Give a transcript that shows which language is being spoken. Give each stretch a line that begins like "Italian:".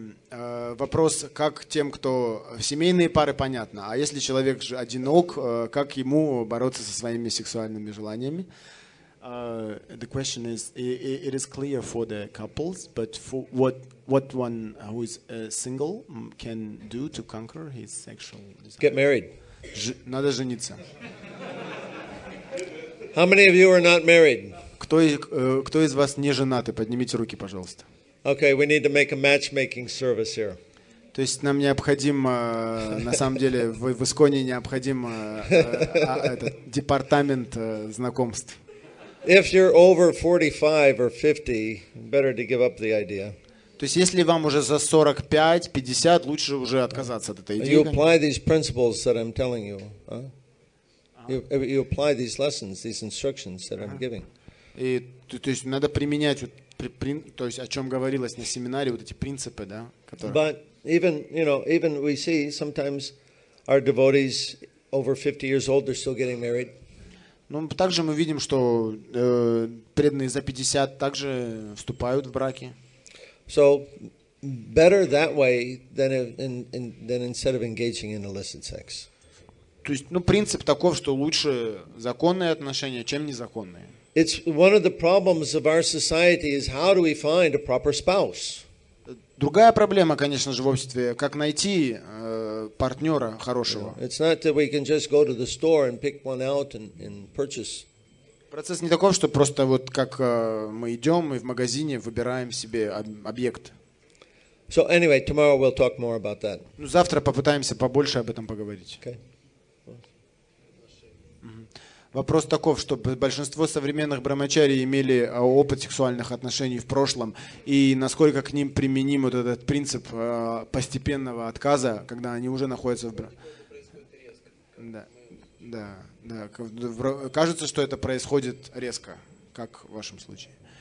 Russian: Uh, вопрос, как тем, кто в семейные пары, понятно, а если человек же одинок, как ему бороться со своими сексуальными желаниями?
English: The question is, it is clear for the couples, but for what one who is single can do to conquer his sexual desire? Get married.
Russian: Надо жениться.
English: How many of you are not married?
Russian: Кто из вас не женаты? Поднимите руки, пожалуйста.
English: Okay, we need to make a matchmaking service here.
Russian: То есть нам необходимо, на самом деле, в Исконе необходим этот департамент знакомств.
English: If you're over 45 or 50, better to give up the idea.
Russian: То есть если вам уже за 45-50, лучше уже отказаться от этой идеи.
English: You apply these principles that I'm telling you. You apply these lessons, these instructions that I'm giving.
Russian: И то есть надо применять вот, то есть о чем говорилось на семинаре, вот эти принципы, да, которые.
English: But even, you know, even we see sometimes our devotees over 50 years old, they're still getting married.
Russian: Ну, также мы видим, что преданные за 50 также вступают в браки.
English: So better that way than instead of engaging in illicit sex.
Russian: То есть, ну, принцип таков, что лучше законные отношения, чем незаконные.
English: It's one of the problems of our society is how do we find a proper spouse?
Russian: Другая проблема, конечно же, в обществе, как найти партнера хорошего.
English: It's not that we can just go to the store and pick one out and purchase.
Russian: Процесс не такой, что просто вот как мы идем и в магазине выбираем себе объект.
English: So anyway, tomorrow we'll talk more about that.
Russian: Ну, завтра попытаемся побольше об этом поговорить.
English: Okay.
Russian: Вопрос таков, что большинство современных брахмачари имели опыт сексуальных отношений в прошлом, и насколько к ним применим вот этот принцип постепенного отказа, когда они уже находятся в кажется, что это происходит резко, как в вашем случае.